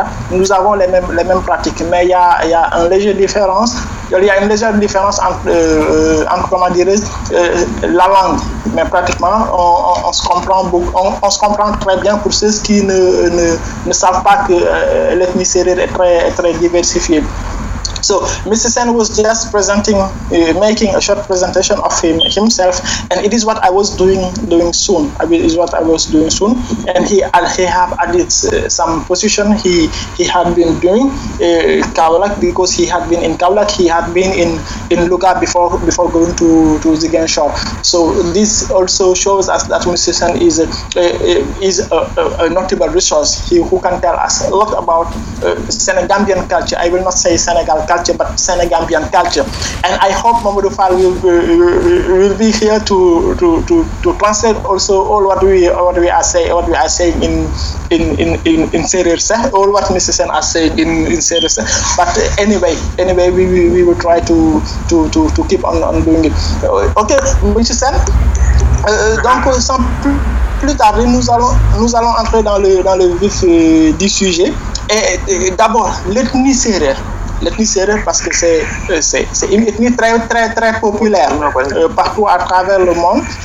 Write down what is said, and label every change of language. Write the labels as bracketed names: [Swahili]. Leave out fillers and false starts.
[French] Nous avons les mêmes pratiques, mais il y a une légère différence. Il y a une légère différence entre la langue, mais pratiquement on se comprend beaucoup, on se comprend très bien pour ceux qui ne savent pas que l'ethnie Seereer est très diversifiée. [English] So, Mr. Sene was just presenting, making a short presentation of himself, and it is what I was doing soon. And he have added some position he had been doing in Kaolack because he had been in Kaolack, he had been in Luga before going to Ziguinchor. So this also shows us that Mr. Sene is a notable resource who can tell us a lot about Senegambian culture. I will not say Senegal culture. culture, but Senegambian culture. And I hope Mamadou Fall will be here to translate also all what we are saying in Seereer, all what Mr. Sen are saying in Seereer. But anyway, we will try to keep on doing it. Okay, Mr. Sen. [French] Donc sans plus tarder, nous allons entrer dans le vif du sujet. Et d'abord, l'ethnie Seereer, parce que c'est une ethnie très très très populaire partout à travers le monde.